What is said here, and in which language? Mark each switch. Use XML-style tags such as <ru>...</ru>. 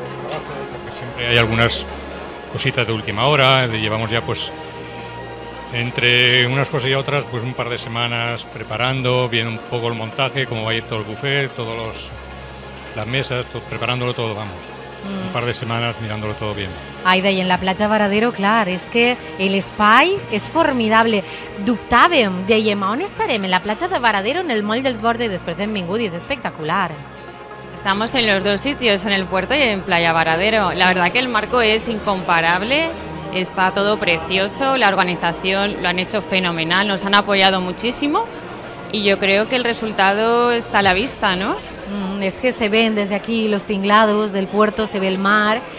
<es>Porque siempre hay algunas cositas de última hora, llevamos ya pues entre unas cosas y otras pues un par de semanas preparando, viendo un poco el montaje, cómo va a ir todo el buffet, todas las mesas, todo, preparándolo todo, vamos. Un par de semanas mirándolo todo bien.</es> <ca>Aida, y en la platja Varadero, clar, és que l'espai és formidable. Dubtàvem, dèiem, on estarem? En la platja de Varadero, en el moll dels Borges, i després hem vingut i és espectacular.</ca> <es>Estamos en los dos sitios, en el puerto y en Playa Varadero. La verdad que el marco es incomparable, está todo precioso, la organización lo han hecho fenomenal, nos han apoyado muchísimo y yo creo que el resultado está a la vista, ¿no? Es que se ven desde aquí los tinglados del puerto, se ve el mar.</es>